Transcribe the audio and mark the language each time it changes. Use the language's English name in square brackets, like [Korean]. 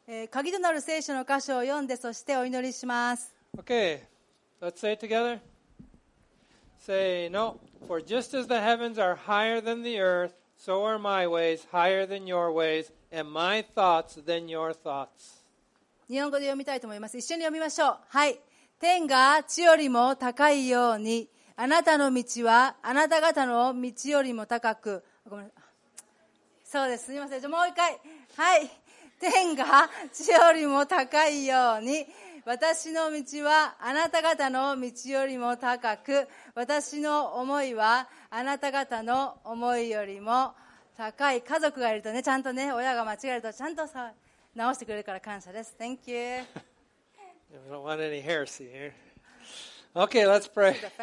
[Japanese] 鍵となる聖書の箇所を読んで、そしてお祈りします。 [English] Okay, let's say it together. Say no. For just as the heavens are higher than the earth, so are my ways higher than your ways, and my thoughts than your thoughts. [Japanese] 日本語で読みたいと思います。一緒に読みましょう。はい。天が地よりも高いように。あなたの道はあなた方の道よりも高く、ごめん、そうです、すみません、じゃもう一回、はい、天が地よりも高いように、私の道はあなた方の道よりも高く、私の思いはあなた方の思いよりも高い。家族がいるとね、ちゃんとね、親が間違えるとちゃんと直してくれるから感謝です。 [English] Thank you. We don't want any heresy here. Okay, let's pray.